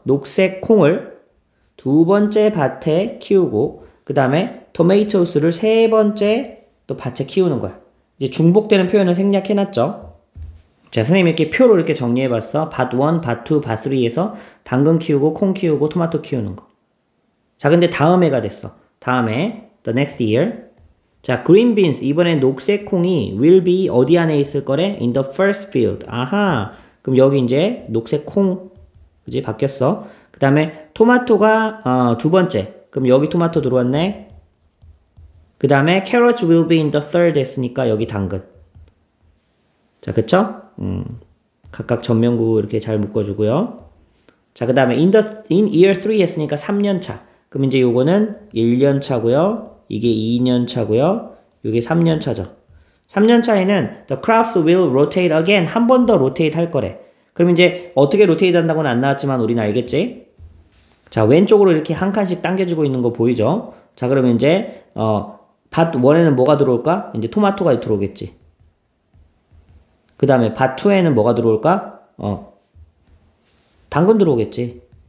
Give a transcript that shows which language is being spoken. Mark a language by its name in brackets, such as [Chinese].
[Korean] 녹색 콩을 두 번째 밭에 키우고, 그 다음에 tomatoes를 세 번째 또 밭에 키우는 거야. 이제 중복되는 표현을 생략해 놨죠. 자, 선생님 이렇게 표로 이렇게 정리해 봤어. 밭 1, 밭 2, 밭 3에서 당근 키우고, 콩 키우고, 토마토 키우는 거. 자, 근데 다음 해가 됐어. 다음에, [English] the next year. [Korean] 자, green beans, 이번에 녹색 콩이 [English] will be [Korean] 어디 안에 있을 거래? [English] In the first field. [Korean] 아하, 그럼 여기 이제 녹색 콩, 그지? 바뀌었어. 그 다음에 토마토가 두 번째, 그럼 여기 토마토 들어왔네. [English] 그 다음에 carrots will be in the third [Korean] 했으니까 여기 당근. 자, 그쵸? 각각 전면구 이렇게 잘 묶어주고요. 자, 그 다음에 [English] in year 3 [Korean] 했으니까 3년 차. 그럼 이제 요거는 1년 차고요. 이게 2년 차고요. 요게 3년 차죠. 3년 차에는 [English] the crops will rotate again. [Korean] 한번더 rotate 할 거래. 그럼 이제 어떻게 rotate 한다고는 안 나왔지만 우리는 알겠지? 자, 왼쪽으로 이렇게 한 칸씩 당겨지고 있는 거 보이죠? 자, 그러면 이제 밭 1에는 뭐가 들어올까? 이제 토마토가 들어오겠지. 그 다음에 밭 2에는 뭐가 들어올까? 당근 들어오겠지.